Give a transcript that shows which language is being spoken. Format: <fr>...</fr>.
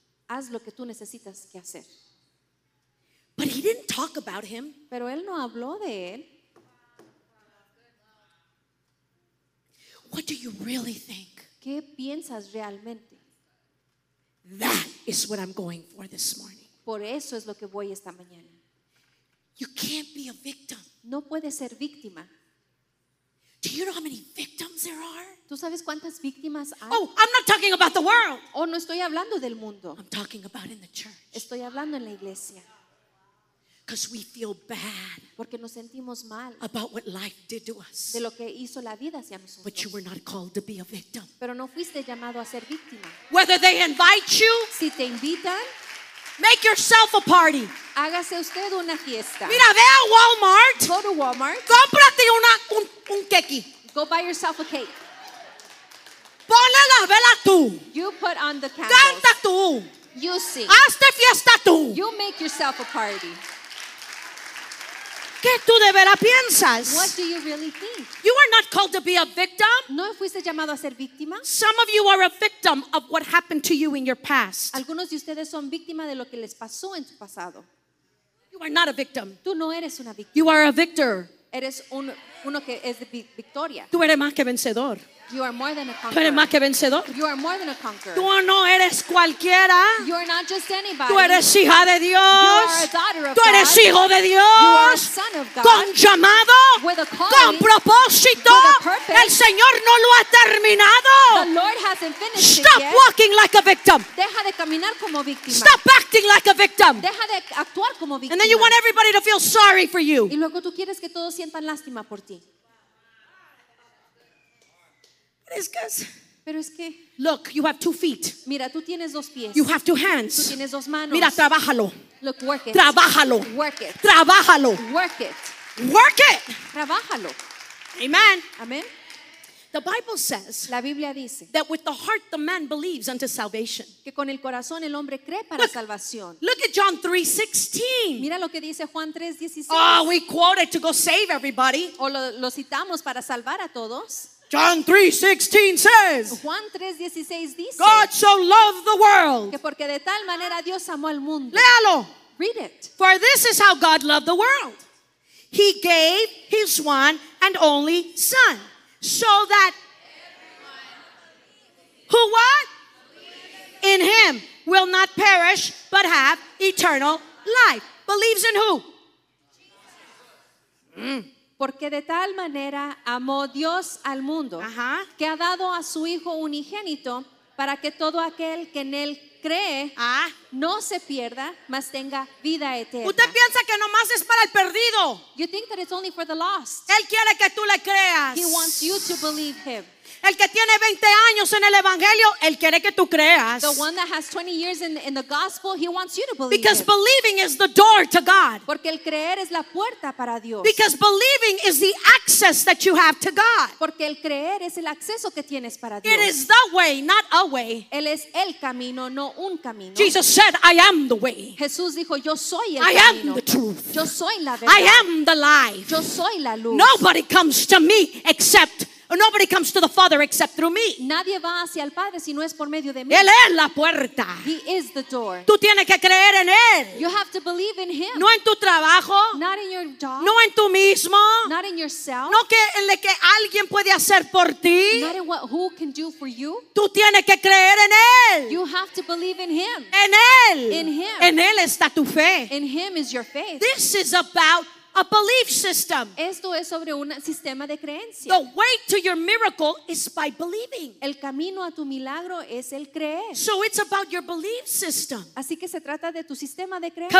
<es>Haz lo que tú necesitas que hacer.</es> <en>But he didn't talk about him.</en> <es>Pero él no habló de él.</es> <en>What do you really think?</en> <es>¿Qué piensas realmente?</es> <en>That is what I'm going for this morning.</en> <es>Por eso es lo que voy esta mañana.</es> <en>You can't be a victim.</en> <es>No puedes ser víctima.</es> <en>Do you know how many victims there are?</en> <es>¿Tú sabes cuántas víctimas hay?</es> <en>Oh, I'm not talking about the world.</en> <es>Oh, no estoy hablando del mundo.</es> <en>I'm talking about in the church.</en> <es>Estoy hablando en la iglesia.</es> <en>Because we feel bad.</en> <es>Porque nos sentimos mal.</es> <en>About what life did to us.</en> <es>De lo que hizo la vida hacia nosotros.</es> <en>But you were not called to be a victim.</en> <es>Pero no fuiste llamado a ser víctima.</es> <en>Whether they invite you.</en> <es>Si te invitan.</es> <en>Make yourself a party.</en> <es>Hágase usted una fiesta. Mira, ve a Walmart.</es> <en>Go to Walmart.</en> <es>Cómprate un keki.</es> <en>Go buy yourself a cake.</en> <es>Ponle la vela tú.</es> <en>You put on the candles.</en> <es>Canta tú.</es> <en>You see.</en> <es>Hazte fiesta tú.</es> <en>You make yourself a party.</en> <es>¿Qué tú de veras piensas?</es> <en>What do you really think? You are not called to be a victim.</en> <es>¿No fuiste llamado a ser víctima?</es> <en>Some of you are a victim of what happened to you in your past.</en> <es>Algunos de ustedes son víctimas de lo que les pasó en su pasado.</es> <en>You are not a victim.</en> <es>Tú no eres una víctima.</es> <en>You are a victor.</en> <es>Eres uno que es de victoria. Tú eres más que vencedor.</es> <en>You are more than a conqueror.</en> <es>Tú eres más que vencedor.</es> <en>You are more than a conqueror.</en> <es>Tú no eres cualquiera.</es> <en>You are not just anybody.</en> <es>Tú eres hija de Dios.</es> <en>You are a daughter of God.</en> <es>Tú eres hijo de Dios.</es> <en>You are a son of God.</en> <es>Con llamado.</es> <en>With a calling.</en> <es>Con propósito.</es> <en>With a purpose.</en> <es>El Señor no lo ha terminado.</es> <en>The Lord hasn't finished Stop it yet. Walking like a victim.</en> <es>Deja de caminar como víctima.</es> <en>Stop acting like a victim.</en> <es>Deja de actuar como víctima.</es> <en>And then you want everybody to feel sorry for you.</en> <es>Y luego tú quieres que todos sientan lástima por ti. Pero es que,</es> <en>look, you have 2 feet.</en> <es>Mira, tú tienes dos pies.</es> <en>You have 2 hands.</en> <es>Tú tienes dos manos. Mira, trabájalo.</es> <en>Look, work it.</en> <es>Trabájalo.</es> <en>Work it.</en> <es>Trabájalo.</es> <en>Work it. Work it.</en> <es>Trabájalo. Amen. Amen.</es> <en>The Bible says</en> <es>La Biblia dice</es> <en>that with the heart the man believes unto salvation.</en> <es>Que con el corazón el hombre cree para salvación.</es> <en>Look at John 3:16.</en> <es>Mira lo que dice Juan 3:16.</es> <en>Oh, we quote it to go save everybody.</en> <es>O lo citamos para salvar a todos.</es> <en>John 3:16 says,</en> <es>Juan 3:16 dice,</es> <en>God so loved the world.</en> <es>Que porque de tal manera Dios amó al mundo. Léalo.</es> <en>Read it. For this is how God loved the world. He gave his one and only son, so that who what? In him will not perish but have eternal life. Believes in who?</en> <es>Porque de tal manera amó Dios al mundo uh-huh. que ha dado a su Hijo unigénito para que todo aquel que en él cree uh-huh. no se pierda, mas tenga vida eterna. Usted piensa que nomás es para el perdido.</es> <en>You think that it's only for the lost.</en> <es>Él quiere que tú le creas.</es> <en>He wants you to believe him.</en> <es>El que tiene 20 años en el evangelio, él quiere que tú creas.</es> <en>The one that has 20 years in the gospel, he wants you to believe. Because believing is the door to God.</en> <es>Porque el creer es la puerta para Dios.</es> <en>Because believing is the access that you have to God.</en> <es>Porque el creer es el acceso que tienes para Dios.</es> <en>It is the way, not a way.</en> <es>Él es el camino, no un camino.</es> <en>Jesus said, I am the way.</en> <es>Jesús dijo, yo soy el</es> <en>I</en> <es>camino.</es> <en>I am the truth.</en> <es>Yo soy la verdad.</es> <en>I am the life.</en> <es>Yo soy la luz.</es> <en>Nobody comes to me except Nobody comes to the Father except through me.</en> <es>Nadie va hacia el Padre si no es por medio de mí. Él es la puerta.</es> <en>He is the door.</en> <es>Tú tienes que creer en él.</es> <en>You have to believe in him.</en> <es>No en tu trabajo.</es> <en>Not in your job.</en> <es>No en tú mismo.</es> <en>Not in yourself.</en> <es>No que en lo que alguien puede hacer por ti.</es> <en>Not in what who can do for you.</en> <es>Tú tienes que creer en él.</es> <en>You have to believe in him.</en> <es>En él.</es> <en>In him.</en> <es>En él está tu fe.</es> <en>In him is your faith. This is about A belief system.</en> <es>Esto es sobre un sistema de creencia.</es> <en>The way to your miracle is by believing.</en> <es>El camino a tu milagro es el creer.</es> <en>So it's about your belief system.</en> <es>Así que se trata de tu sistema de creencia.</es>